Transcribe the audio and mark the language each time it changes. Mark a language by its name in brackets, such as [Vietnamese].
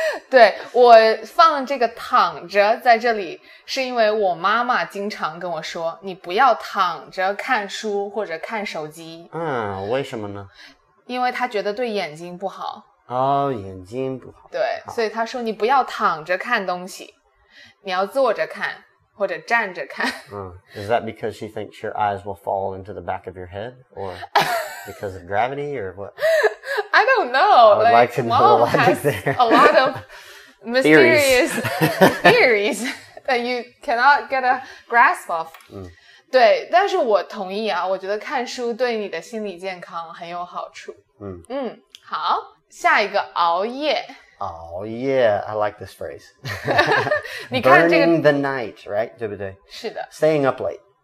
[Chinese] 对，我放这个躺着在这里是因为我妈妈经常跟我说你不要躺着看书或者看手机。为什么呢？因为她觉得对眼睛不好。眼睛不好。对好，所以她说你不要躺着看东西，你要坐着看或者站着看。 [English] Is that because she thinks your eyes will fall into the back of your head? Or... Because of gravity or what? I don't know. I would like to know the logic there. A lot of mysterious theories that you cannot get a grasp of. [Chinese] 对，但是我同意啊，我觉得看书对你的心理健康很有好处。好，下一个熬夜。 [English] 熬夜， I like this phrase. [Chinese] 你看这个 [English] Burning the night, right? [Chinese] 对不对？是的。 [English] Staying up late.